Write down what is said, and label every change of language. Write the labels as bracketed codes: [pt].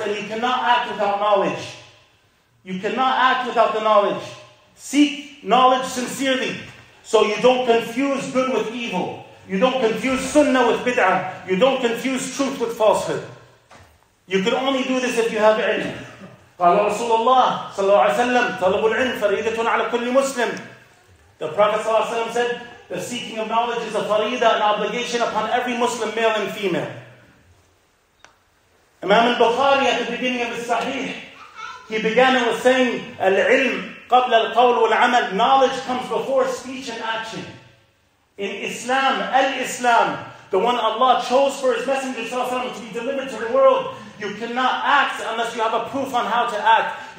[en] And you cannot act without knowledge. You cannot act without the knowledge. Seek knowledge sincerely. So you don't confuse good with evil. You don't confuse sunnah with bid'ah. You don't confuse truth with falsehood. You can only do this if you have ilm. [ar] قال رسول الله صلى الله عليه وسلم طلب العلم فريضة على كل مسلم. [en] The Prophet صلى الله عليه وسلم said, the seeking of knowledge is a farida, an obligation upon every Muslim, male and female. Imam al-Bukhari at the beginning of his Sahih, he began it with saying, [ar] العلم قبل القول والعمل. [en] Knowledge comes before speech and action. In Islam, al-Islam, the one Allah chose for His Messenger صلى الله عليه وسلم to be delivered to the world, you cannot act unless you have a proof on how to act.